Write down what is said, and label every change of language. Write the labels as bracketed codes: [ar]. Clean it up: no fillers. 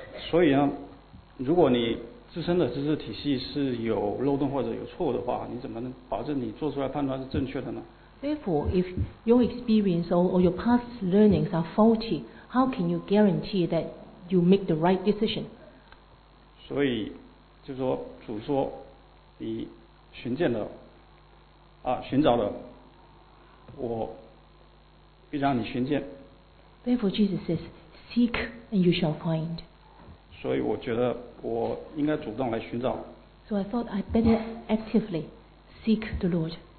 [zh] 所以呢，如果你自身的知识体系是有漏洞或者有错误的话，你怎么能保证你做出来判断是正确的呢 [en] ？Therefore, if your experience or your past learnings are faulty, how can you guarantee that you make the right decision? [zh] 所以，就说主说，你寻见的，寻找的，我。必让你寻见。 [en] Therefore, Jesus says, "Seek and you shall find." [zh] 所以我觉得我应该主动来寻找。 [en] So I thought I better actively seek the Lord.